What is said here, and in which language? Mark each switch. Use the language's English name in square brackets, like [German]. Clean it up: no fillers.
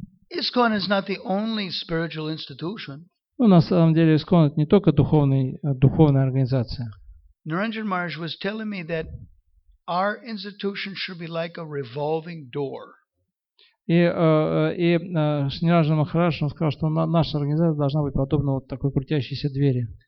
[English] ISKCON is not the only spiritual institution. [Russian] Ну, на самом деле, ISKCON это не только духовная организация. [English] Niranjan Maharaj was telling me that our institution should be like a revolving door. [Russian] И Шринираджа Махарадж сказал, что наша организация должна быть подобна вот такой крутящейся двери.